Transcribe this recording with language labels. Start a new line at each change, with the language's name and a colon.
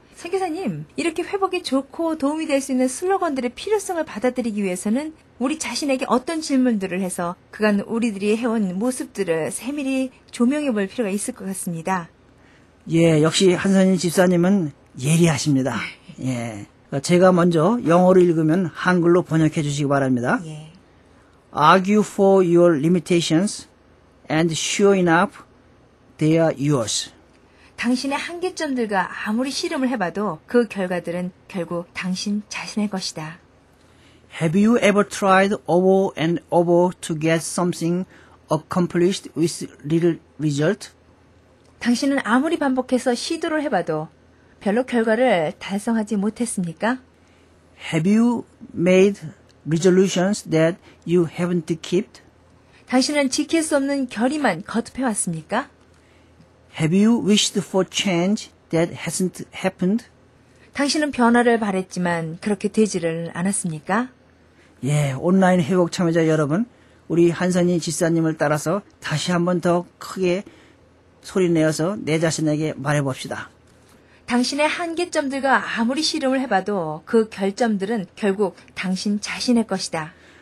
Korean: 선교사님, 이렇게 회복이 좋고 도움이 될 수 있는 슬로건들의 필요성을 받아들이기 위해서는 우리 자신에게 어떤 질문들을 해서 그간 우리들이 해온 모습들을 세밀히 조명해 볼 필요가 있을 것 같습니다. 예, 역시 한선희 집사님은 예리하십니다. 예, 제가 먼저 영어로 읽으면 한글로 번역해 주시기 바랍니다. 예.
English: Argue for your limitations and sure enough, they are yours.
Korean: 당신의 한계점들과 아무리 실험을 해봐도 그 결과들은 결국 당신 자신의 것이다.
English: Have you ever tried over and over to get something accomplished with little result?
Korean: 당신은 아무리 반복해서 시도를 해봐도 별로 결과를 달성하지 못했습니까?
English: Have you made resolutions that you haven't kept?
Korean: 당신은 지킬 수 없는 결의만 거듭해왔습니까?
English: Have you wished for change that hasn't happened?
Korean: 당신은 변화를 바랬지만 그렇게 되지를 않았습니까? 예, 온라인 회복 참여자 여러분, 우리 한선희 집사님을 따라서 다시 한 번 더 크게 소리 내어서 내 자신에게 말해봅시다. 당신의 한계점들과 아무리 실험을 해봐도 그 결점들은 결국 당신 자신의 것이다.